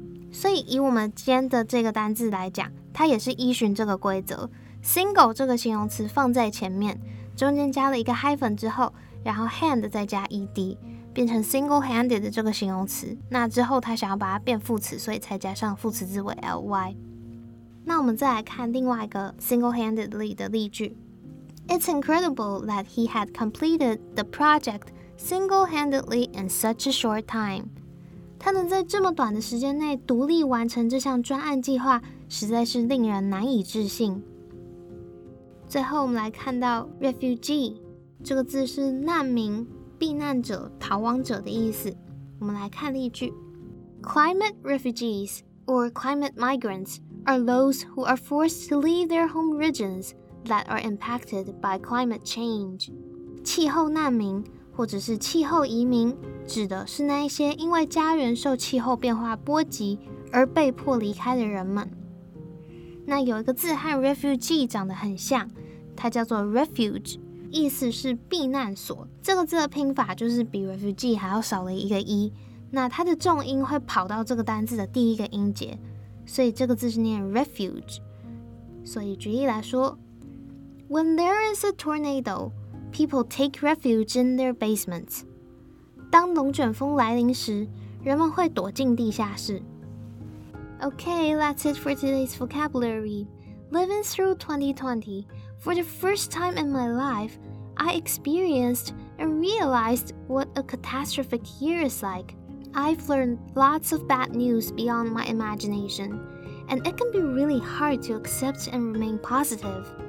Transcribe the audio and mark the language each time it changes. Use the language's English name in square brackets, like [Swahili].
[Chinese] 所以以我们今天的这个单字来讲，它也是依循这个规则， single 这个形容词放在前面，中间加了一个 hyphen 之后，然后 hand 再加 ed， 变成 single handed 的这个形容词。那之后他想要把它变副词，所以才加上副词字尾 ly。那我们再来看另外一个 single handed 的例句。 [English] It's incredible that he had completed the project single-handedly in such a short time. [Chinese] 他能在这么短的时间内独立完成这项专案计划，实在是令人难以置信。最后我们来看到 refugee， 这个字是难民、避难者、逃亡者的意思。我们来看例句。 [English] Climate refugees or climate migrants are those who are forced to leave their home regions that are impacted by climate change. [Chinese] 气候难民或者是气候移民，指的是那些因为家园受气候变化波及而被迫离开的人们。那有一个字和 refugee 长得很像，它叫做 refuge， 意思是避难所。这个字的拼法就是比 refugee 还要少了一个 e， 那它的重音会跑到这个单字的第一个音节，所以这个字是念 refuge。所以举例来说， [English] When there is a tornadoPeople take refuge in their basements. [Chinese] 当龙卷风来临时，人们会躲进地下室。 [English] Okay, that's it for today's vocabulary. Living through 2020, for the first time in my life, I experienced and realized what a catastrophic year is like. I've learned lots of bad news beyond my imagination, and it can be really hard to accept and remain positive.